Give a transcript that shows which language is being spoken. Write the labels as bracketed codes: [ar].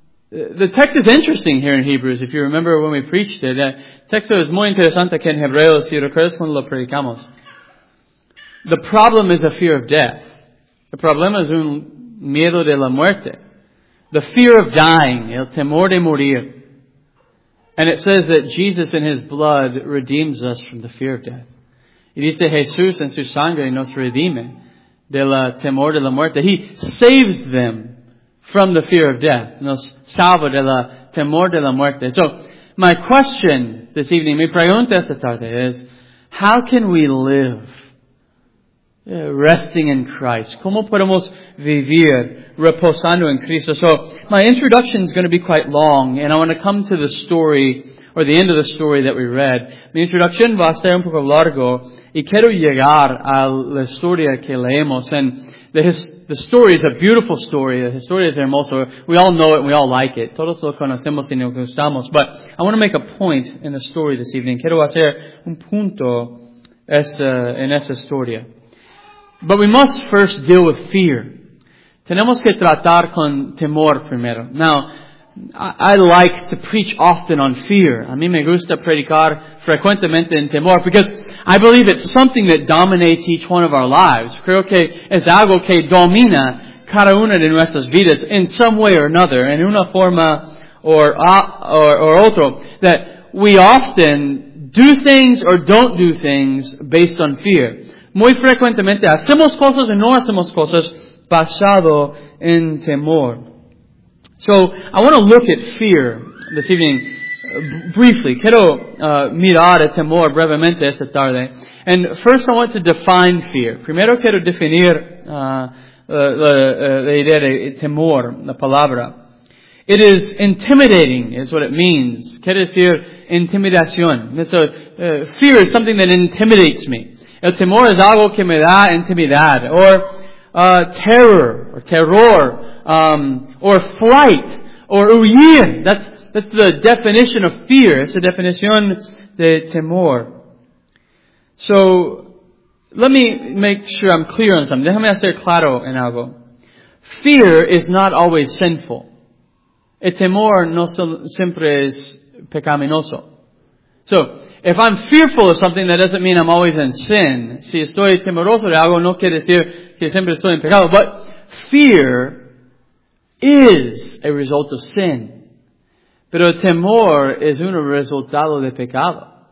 [en] The text is interesting here in Hebrews, if you remember when we preached it. [es] El texto es muy interesante aquí en Hebreos, si recuerdas cuando lo predicamos. [en] The problem is a fear of death. [es] El problema es un miedo de la muerte. [en] The fear of dying, [es] el temor de morir. [en] And it says that Jesus in His blood redeems us from the fear of death. [es] Y dice Jesús en su sangre nos redime del temor de la muerte. [en] He saves them from the fear of death. [es] Nos salva del temor de la muerte. [en] So, my question this evening, [es] mi pregunta esta tarde es, [en] how can we live resting in Christ? [es] ¿Cómo podemos vivir reposando en Cristo? [en] So, my introduction is going to be quite long, and I want to come to the story, or the end of the story that we read. [es] Mi introducción va a ser un poco largo, y quiero llegar a la historia que leemos. [en] And the story is a beautiful story. The [es] historia es hermosa. [en] We all know it, and we all like it. [es] Todos lo conocemos y nos gustamos. [en] But I want to make a point in the story this evening. [es] Quiero hacer un punto en esta historia. [en] But we must first deal with fear. [es] Tenemos que tratar con temor primero. [en] Now, I like to preach often on fear. [es] A mí me gusta predicar frecuentemente en temor [en] because I believe it's something that dominates each one of our lives. [es] Creo que es algo que domina cada una de nuestras vidas [en] in some way or another, [es] en una forma or otro. [en] That we often do things or don't do things based on fear. [es] Muy frecuentemente hacemos cosas y no hacemos cosas basado en temor. [en] So, I want to look at fear this evening briefly. [es] Quiero mirar el temor brevemente esta tarde. [en] And first I want to define fear. [es] Primero quiero definir la idea de temor, la palabra. [en] It is intimidating, is what it means. [es] Quiere decir intimidación. [en] So, fear is something that intimidates me. [es] El temor es algo que me da intimidad. [en] Or terror, or terror, or flight, or huir. That's the definition of fear. It's the definition de temor. So, let me make sure I'm clear on something. [es] Déjame hacer claro en algo. [en] Fear is not always sinful. [es] El temor no siempre es pecaminoso. [en] So, if I'm fearful of something, that doesn't mean I'm always in sin. [es] Si estoy temeroso de algo, no quiere decir que siempre estoy en pecado. [en] But fear is a result of sin. [es] Pero temor es un resultado de pecado.